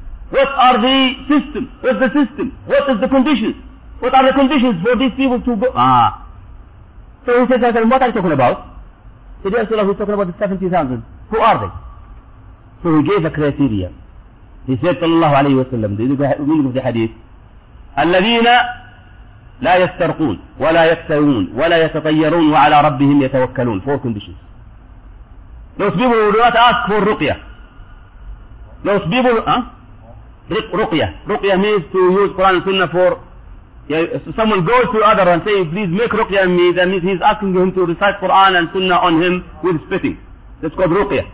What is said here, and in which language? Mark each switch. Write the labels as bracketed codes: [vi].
[en] What are the system? What's the system? What is the conditions? What are the conditions for these people to go? Ah. So he says, I said, what are you talking about? He said, Rasulullah, he's talking about the 70,000. Who are they? So he gave a criteria. He said, sallallahu alayhi wa sallam, this is the meaning of the hadith. [ar] Alladhina لا يسترقون ولا يكتئون ولا يتطيرون وعلى ربهم يتوكلون. [en] Four conditions. Those people who do not ask for ruqya. Those people, ruqya. Ruqya means to use Quran and Sunnah for, someone goes to other and say, please make ruqya on me. That means he's asking him to recite Quran and Sunnah on him with spitting. That's called ruqya.